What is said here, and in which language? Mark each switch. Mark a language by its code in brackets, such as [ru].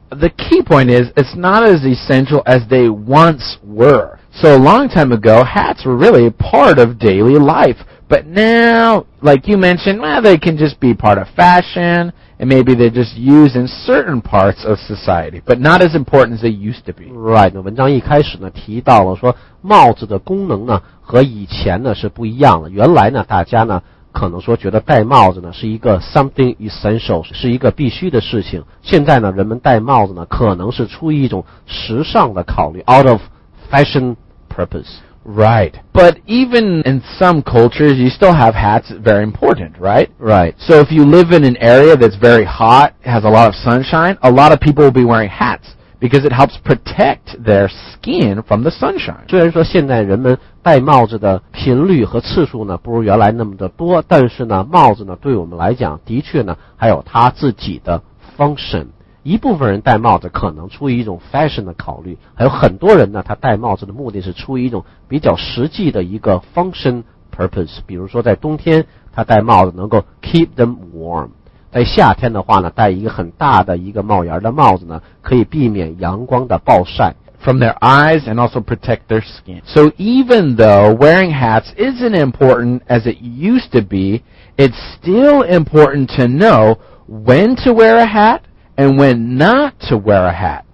[en] The key point is, it's not as essential as they once were. So a long time ago, hats were really part of daily life. But now, like you mentioned, well, they can just be part of fashion, and maybe they're just used in certain parts of society, but not as important as they used to be. [zh] Right, 那文章一开始呢提到了说帽子的功能呢和以前呢是不一样的。原来呢大家呢可能说觉得戴帽子呢是一个 [en] something essential, [zh] 是一个必须的事情。现在呢人们戴帽子呢可能是出于一种时尚的考虑 [en] out of,Fashion purpose. Right. But even in some cultures, you still have hats very important, right? Right. So if you live in an area that's very hot, has a lot of sunshine, a lot of people will be wearing hats because it helps protect their skin from the sunshine. [zh] 虽然说现在人们戴帽子的频率和次数呢不如原来那么的多，但是呢帽子呢对我们来讲的确呢还有它自己的 function。一部分人戴帽子可能出于一种 fashion 的考虑，还有很多人呢他戴帽子的目的是出于一种比较实际的一个 [en] function purpose。 [zh] 比如说在冬天他戴帽子能够 [en] keep them warm。 [zh] 在夏天的话呢戴一个很大的一个帽檐的帽子呢可以避免阳光的暴晒 [en] from their eyes and also protect their skin. So even though wearing hats isn't important as it used to be, it's still important to know when to wear a hat and when not to wear a hat.